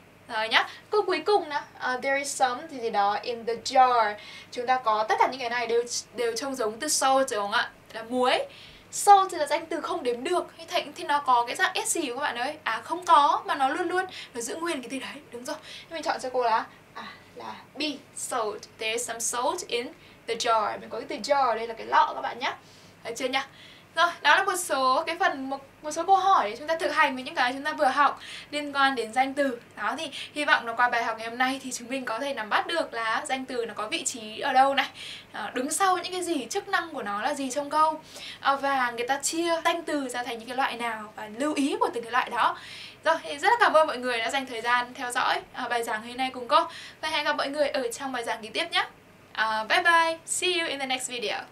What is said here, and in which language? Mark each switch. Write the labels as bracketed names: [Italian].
[Vietnamese] Rồi nhá, câu cuối cùng nè, [English] there is some [Vietnamese] gì gì đó [English] in the jar. [Vietnamese] Chúng ta có tất cả những cái này đều trông giống từ salt, đúng không ạ? Là muối. Salt thì là danh từ không đếm được, thì nó có cái dạng SC của các bạn ơi. Không có, mà nó luôn luôn nó giữ nguyên cái từ đấy, đúng rồi. Thế mình chọn cho cô là B, salt. [English] There is some salt in the jar. [Vietnamese] Mình có cái từ jar đây là cái lọ các bạn nhá. Được chưa nhá? Rồi, đó là một số cái phần, một số câu hỏi để chúng ta thực hành với những cái chúng ta vừa học liên quan đến danh từ. Đó thì hy vọng là qua bài học ngày hôm nay thì chúng mình có thể nắm bắt được là danh từ nó có vị trí ở đâu này, đứng sau những cái gì, chức năng của nó là gì trong câu, và người ta chia danh từ ra thành những cái loại nào và lưu ý của từng cái loại đó. Rồi, thì rất là cảm ơn mọi người đã dành thời gian theo dõi bài giảng hôm nay cùng cô. Và hẹn gặp mọi người ở trong bài giảng kế tiếp nhé. [English] Bye bye, see you in the next video.